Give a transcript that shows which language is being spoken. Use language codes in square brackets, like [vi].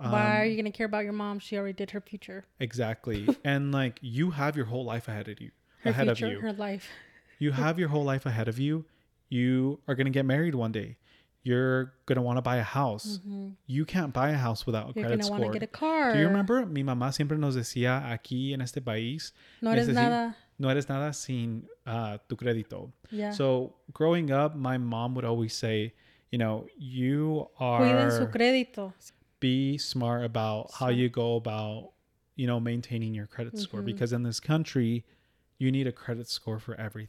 [en] why are you going to care about your mom? She already did her future. Exactly. And like, you have your whole life ahead of you. Her life. You have your whole life ahead of you. You are going to get married one day. You're going to want to buy a house. Mm-hmm. You can't buy a house without a credit score. going to want to get a car. Do you remember? [es] Mi mamá siempre nos decía aquí en este país. No eres nada. No eres nada sin tu crédito. [en] Yeah. So growing up, my mom would always say, you know, you are... [es] Cuiden su crédito. [en] Be smart about how you go about, you know, maintaining your credit score. Because in this country, you need a credit score for everything.